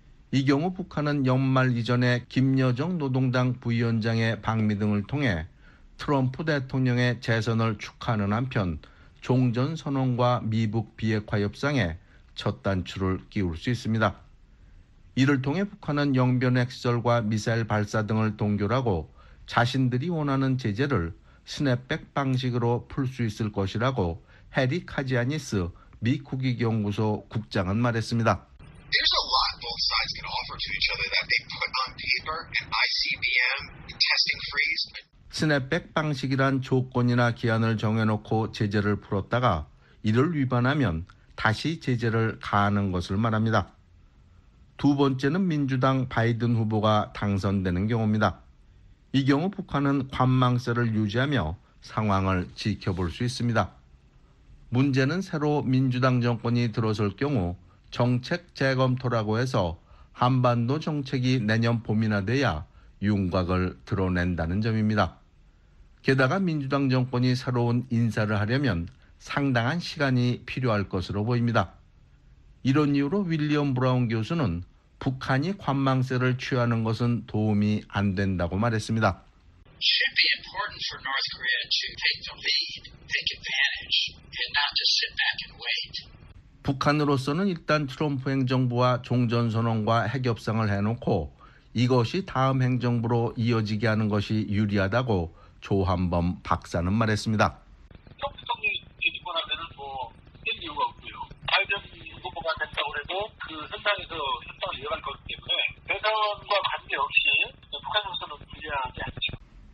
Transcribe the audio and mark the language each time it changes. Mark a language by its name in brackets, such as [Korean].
[Korean] 이 경우 북한은 연말 이전에 김여정 노동당 부위원장의 방미 등을 통해 트럼프 대통령의 재선을 축하하는 한편 종전선언과 미북 비핵화 협상에 첫 단추를 끼울 수 있습니다. 이를 통해 북한은 영변 핵시설과 미사일 발사 등을 동결하고 자신들이 원하는 제재를 스냅백 방식으로 풀 수 있을 것이라고 해리 카지아니스 미 국익연구소 국장은 말했습니다. [English] There's a lot both sides can offer to each other that they put on paper and ICBM testing freeze. [Korean] 스냅백 방식이란 조건이나 기한을 정해놓고 제재를 풀었다가 이를 위반하면 다시 제재를 가하는 것을 말합니다. 두 번째는 민주당 바이든 후보가 당선되는 경우입니다. 이 경우 북한은 관망세를 유지하며 상황을 지켜볼 수 있습니다. 문제는 새로 민주당 정권이 들어설 경우 정책 재검토라고 해서 한반도 정책이 내년 봄이나 돼야 윤곽을 드러낸다는 점입니다. 게다가 민주당 정권이 새로운 인사를 하려면 상당한 시간이 필요할 것으로 보입니다. 이런 이유로 윌리엄 브라운 교수는 북한이 관망세를 취하는 것은 도움이 안 된다고 말했습니다. [English] Should be important for North Korea to take the lead, take advantage, and not just sit back and wait. [Korean] 북한으로서는 일단 트럼프 행정부와 종전선언과 핵협상을 해놓고 이것이 다음 행정부로 이어지게 하는 것이 유리하다고 조한범 박사는 말했습니다. 협상이 일어나면은 뭐 큰 이유가 없고요. 바이든 후보가 된다고 해도 그 현장에서 협상을 이어갈 거기 때문에 대선과 관계없이 북한으로서는 불리하지 않죠.